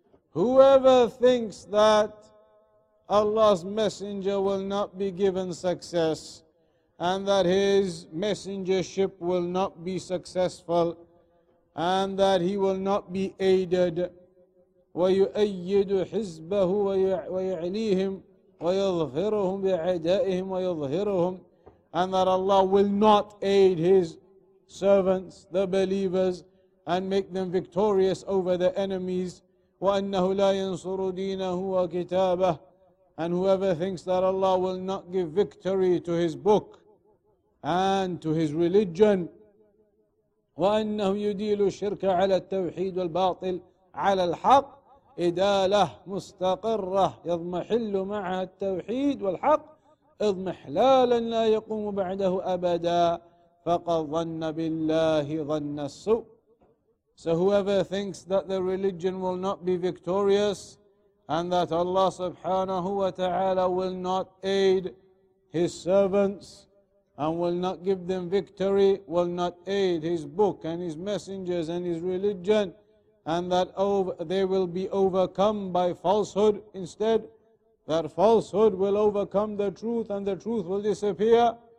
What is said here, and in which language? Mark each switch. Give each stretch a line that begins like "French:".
English: Whoever thinks that Allah's messenger will not be given success and that his messengership will not be successful and that he will not be aided,
Arabic: وَيُؤَيِّدُ حِزْبَهُ وَيُعْلِيهِمْ وَيَظْهِرُهُمْ بِعَدَائِهِمْ وَيَظْهِرُهُمْ,
English: and that Allah will not aid his servants, the believers, and make them victorious over the enemies.
Arabic: وَأَنَّهُ لَا يَنْصُرُ دِينَهُ وَكِتَابَهُ.
English: And whoever thinks that Allah will not give victory to his book and to his religion.
Arabic: وَأَنَّهُ يُدِيلُ الشِّرْكَ عَلَى التَّوْحِيدُ وَالْبَاطِلُ عَلَى الْحَقِّ إدالة مستقرة يضمحل معها التوحيد والحق إضمحلالا لا يقوم بعده أبدا فقد ظن بالله ظن السوء.
English: So whoever thinks that the religion will not be victorious and that Allah subhanahu wa ta'ala will not aid his servants and will not give them victory, will not aid his book and his messengers and his religion, and that they will be overcome by falsehood instead, that falsehood will overcome the truth and the truth will disappear.